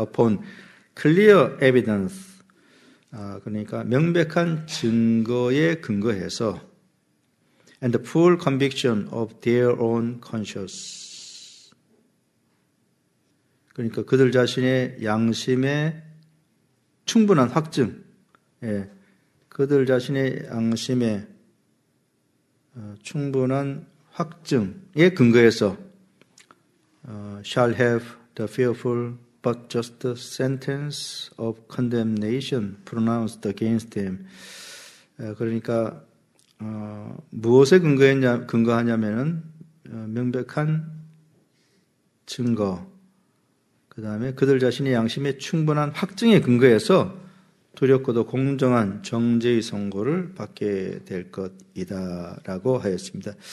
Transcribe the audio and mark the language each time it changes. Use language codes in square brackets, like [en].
[en] upon clear evidence, [ko] 그러니까 명백한 증거에 근거해서 [en] and the full conviction of their own conscience, [ko] 그러니까 그들 자신의 양심에 충분한 확증, 예, 그들 자신의 양심에 충분한 확증에 근거해서 [en] shall have the fearful but just sentence of condemnation pronounced against him. [ko] 그러니까 무엇에 근거하냐면은 명백한 증거, 그 다음에 그들 자신의 양심에 충분한 확증에 근거해서 두렵고도 공정한 정죄의 선고를 받게 될 것이다 라고 하였습니다.